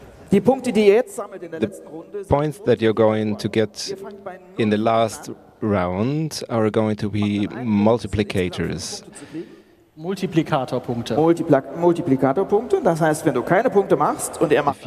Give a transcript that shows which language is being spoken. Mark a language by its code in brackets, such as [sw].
[de] Die Punkte, die ihr jetzt sammelt in der letzten Runde, [en] the points that you're going to get in the last round are going to be multiplicators. [de] Multiplikatorpunkte. Multiplikatorpunkte. Das heißt, wenn du keine Punkte machst und er macht.